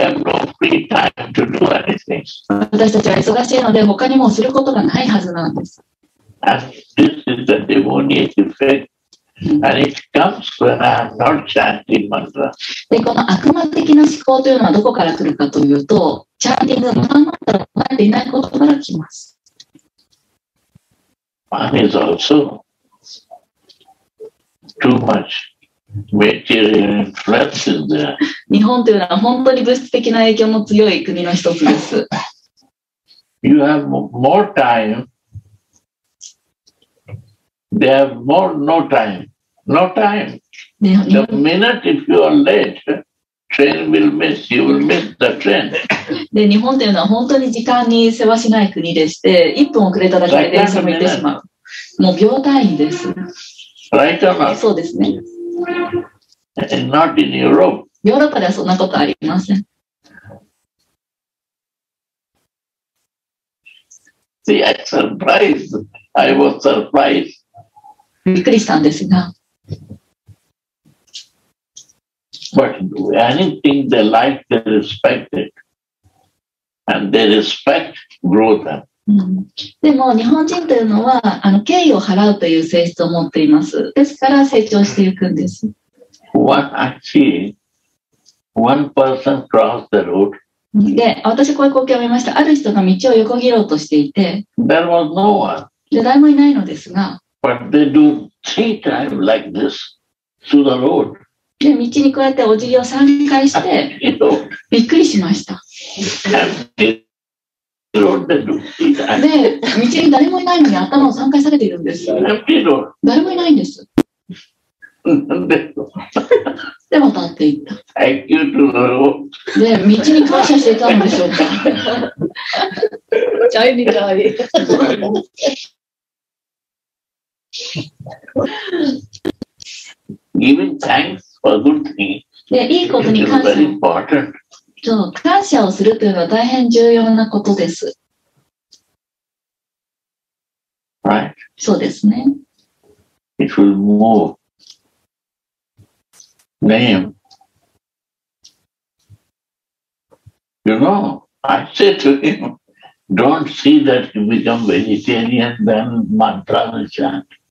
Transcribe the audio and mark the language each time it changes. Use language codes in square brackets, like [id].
[ja] 私たちは忙しいので他にもすることがないはずなんです。 [en] This is the demonic effect, and it comes when I'm not chanting mantra. [ja] で、この悪魔的な思考というのはどこから来るかというと、チャンティングのマントラを唱えていないことから来ます。 [en] One is also too much material influence in there. [ja] 日本というのは本当に物質的な影響の強い国の一つです。 [en] You have more time. They have more no time. No time. The minute if you are late, train will miss. You will miss the train. [ja] で、日本というのは本当に時間に世話しない国でして、1分遅れただけで電車を見てしまう。もう秒単位です。 [en] Right or not? [ja] そうですね。 [en] And not in Europe. [ja] ヨーロッパではそんなことありません。 [en] See, I'm surprised. I was surprised. [ja] びっくりしたんですが。 [en] But anything they like, they respect it. And they respect grow them. [ja] うん、でも日本人というのは敬意を払うという性質を持っています。ですから成長していくんです。 [en] What actually one person crossed the road? [ja] で、私こういう光景を見ました。ある人が道を横切ろうとしていて、 [en] There was no one. [ja] で、誰もいないのですが、 [en] But they do three times like this to the road. [ja] で、道にこうやってお辞儀を3回してびっくりしました。で、道に誰もいないのに頭を3回下げているんです。誰もいないんです。でも立っていった。 [en] Thank you to the road. [ja] で、道に感謝していたんでしょうか。チャイニーチャイ [en] ニー。Giving thanks for good things. [ja] で、いいことに感謝。そう、感謝をするというのは大変重要なことです。 [en] Right. [ja] そうですね。 [en] If you move name, you know, I say to him, don't see that you become vegetarian, then mantra will chant.